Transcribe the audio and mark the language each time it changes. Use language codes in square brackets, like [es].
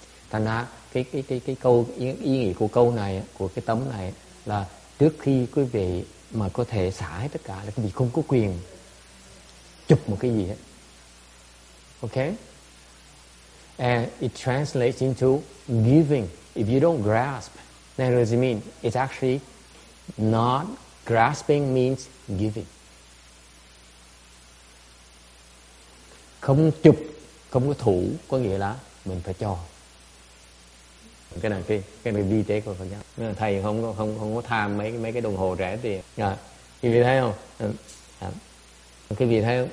[vi] Thành ra cái câu ý nghĩa của câu này, của cái tấm này là trước khi quý vị mà có thể xả hết tất cả là quý vị không có quyền chụp một cái gì hết. [en] Ok? And it translates into giving. If you don't grasp, then what does it mean? It's actually not grasping means giving. [vi] Không chụp, không có thủ có nghĩa là mình phải cho. Cái này cái vi tế của Phật giáo, thầy không có tham mấy cái đồng hồ rẻ tiền. Quý vị thấy không? Quý vị thấy không?